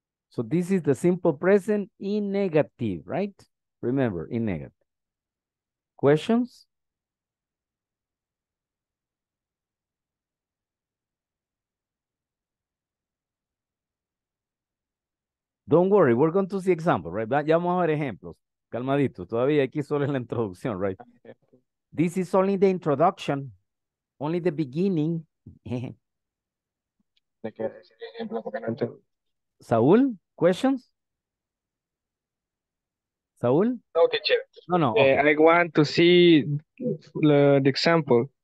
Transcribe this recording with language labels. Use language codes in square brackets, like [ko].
[en] So this is the simple present in negative, right? Remember, in negative. Questions? Don't worry, we're going to see examples, right? [es] Ya vamos a ver ejemplos. Calmadito, todavía aquí solo es la introducción, right? [en] This is only the introduction, only the beginning. [es] ¿De qué? [en] ¿Saúl? ¿Questions? ¿Saúl? No, teacher. No, no. Okay. I want to see the example.